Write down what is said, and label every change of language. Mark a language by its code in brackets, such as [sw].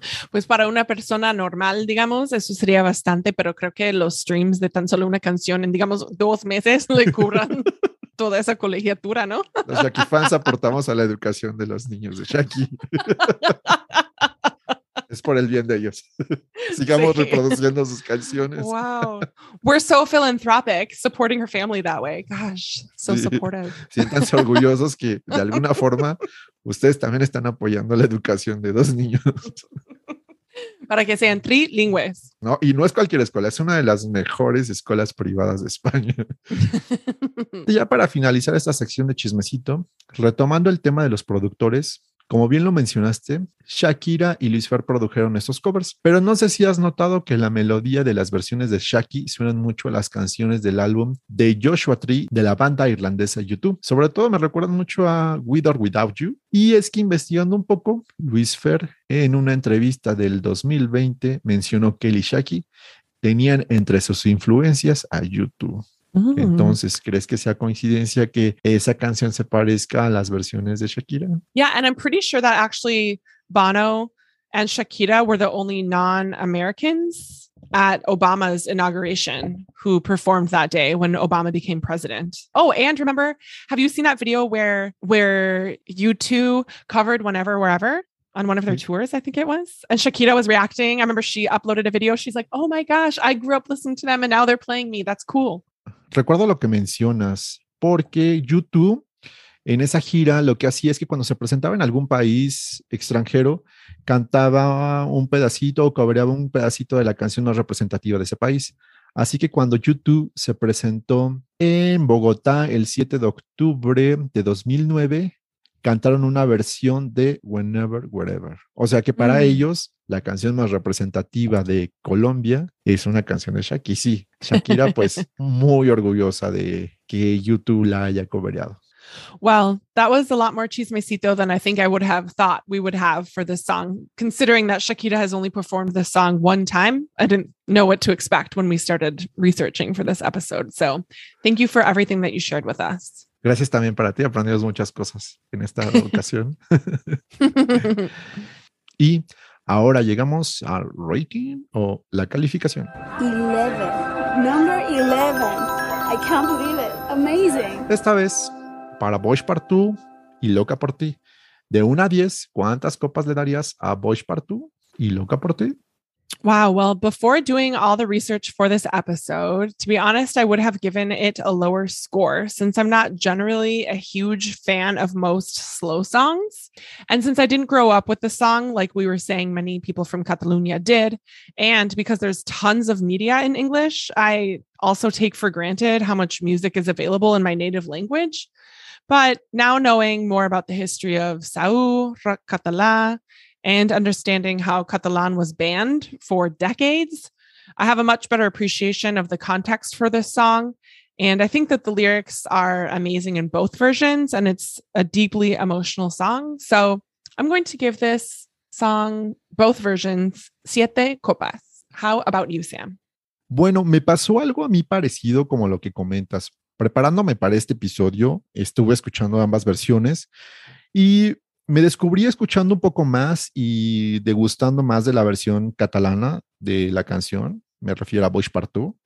[es] Pues para una persona normal, digamos, eso sería bastante, pero creo que los streams de tan solo una canción en, digamos, dos meses le cubran toda esa colegiatura, ¿no? Los Shaki fans aportamos a la educación de los niños de Shaki. Es por el bien de ellos. Sigamos reproduciendo sus canciones. [en] Wow. We're so philanthropic, supporting her family that way. Gosh, so sí. Supportive. [es] Siéntanse orgullosos que de alguna forma ustedes también están apoyando la educación de dos niños. Para que sean trilingües. No, y no es cualquier escuela, es una de las mejores escuelas privadas de España. Y ya para finalizar esta sección de chismecito, retomando el tema de los productores, como bien lo mencionaste, Shakira y Luis Fer produjeron estos covers, pero no sé si has notado que la melodía de las versiones de Shaki suenan mucho a las canciones del álbum de Joshua Tree de la banda irlandesa U2. Sobre todo me recuerdan mucho a With or Without You. Y es que investigando un poco, Luis Fer en una entrevista del 2020 mencionó que él y Shaki tenían entre sus influencias a U2. Entonces, ¿crees que sea coincidencia que esa canción se parezca a las versiones de Shakira? [en] Yeah, and I'm pretty sure that actually Bono and Shakira were the only non-Americans at Obama's inauguration who performed that day when Obama became president. Oh, and remember, have you seen that video where U2 covered Whenever Wherever? On one of their tours, I think it was. And Shakira was reacting. I remember she uploaded a video. She's like, oh my gosh, I grew up listening to them and now they're playing me. That's cool. [es] Recuerdo lo que mencionas, porque U2 en esa gira lo que hacía es que cuando se presentaba en algún país extranjero, cantaba un pedacito o cobreaba un pedacito de la canción no representativa de ese país. Así que cuando U2 se presentó en Bogotá el 7 de octubre de 2009, cantaron una versión de Whenever, Wherever. O sea que para ellos, la canción más representativa de Colombia es una canción de Shaki. Sí, Shakira, pues, muy orgullosa de que YouTube la haya cobereado. [en] Well, that was a lot more chismecito than I think I would have thought we would have for this song. Considering that Shakira has only performed this song one time, I didn't know what to expect when we started researching for this episode. So, thank you for everything that you shared with us. [es] Gracias también para ti, aprendimos muchas cosas en esta ocasión. Y ahora llegamos al rating o la calificación. [en] 11, number 11. I can't believe it. Amazing. [es] Esta vez, para Boys Part 2 y Loca por ti. De 1 a 10, ¿cuántas copas le darías a Boys Part 2 y Loca por ti? [en] Wow, well, before doing all the research for this episode, to be honest, I would have given it a lower score since I'm not generally a huge fan of most slow songs. And since I didn't grow up with the song, like we were saying, many people from Catalonia did, and because there's tons of media in English, I also take for granted how much music is available in my native language. But now knowing more about the history of Sau, Rock Català, and understanding how Catalan was banned for decades, I have a much better appreciation of the context for this song. And I think that the lyrics are amazing in both versions, and it's a deeply emotional song. So I'm going to give this song, both versions, 7 copas. How about you, Sam? [es] Bueno, me pasó algo a mí parecido como lo que comentas. Preparándome para este episodio, estuve escuchando ambas versiones y me descubrí escuchando un poco más y degustando más de la versión catalana de la canción. Me refiero a Boix Part 2.